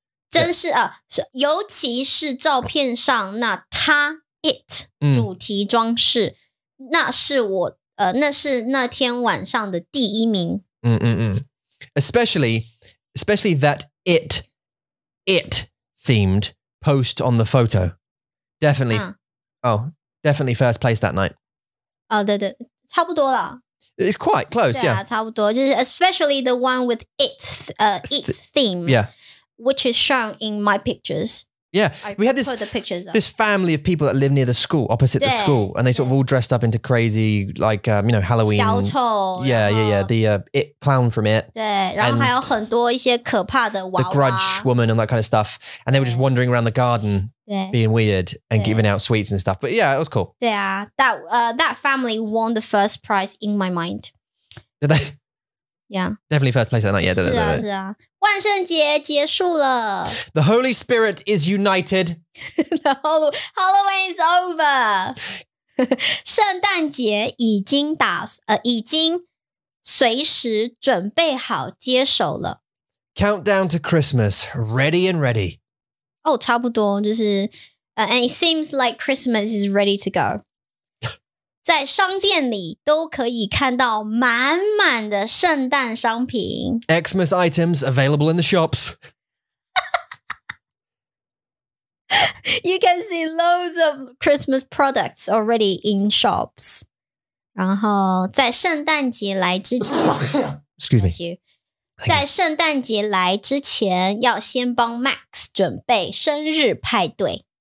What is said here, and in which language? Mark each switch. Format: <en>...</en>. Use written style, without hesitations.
<zh>真是啊，尤其是照片上那他 it 主题装饰，那是我那是那天晚上的第一名。</zh> <en>Especially that it themed post on the photo. Definitely. Definitely first place that night.</en> <zh>Oh, 对对，差不多了。</zh> <en>It's quite close,</en> <zh>对啊,</zh> <en>yeah.</en> <zh>差不多, 就是</zh> <en>especially the one with its theme, yeah. Which is shown in my pictures. Yeah, we had this family of people that live near the school, opposite</en> <zh>对,</zh> <en>the school, and they sort of all dressed up into crazy, like, you know, Halloween.</en> <zh>小丑,</zh> <en>yeah, yeah, yeah, the it clown from it.</en> <zh>对, 然后还有很多一些可怕的娃娃。</zh> <en>The grudge woman and that kind of stuff. And they were just wandering around the garden, being weird and giving out sweets and stuff. But yeah, it was cool.</en> <zh>对啊,</zh> <en>that family won the first prize in my mind. Did they? Yeah. Definitely first place that night. Yeah,</en> <zh>是啊, 对对对。是啊。万圣节结束了。</zh> <en>The Holy Spirit is united. Halloween is over.</en> <zh>圣诞节已经打已经随时准备好接手了。</zh> <en>Countdown to Christmas, ready and ready.</en> <zh>哦，差不多就是，</zh> <en>and it seems like Christmas is ready to go.</en> <zh>在商店里都可以看到满满的圣诞商品。</zh> <en>Xmas items available in the shops. You can see loads of Christmas products already in shops.</en> <zh>然后在圣诞节来之前</zh> <en>Excuse me.</en> <zh>在圣诞节来之前要先帮 Max 准备生日派对。</zh>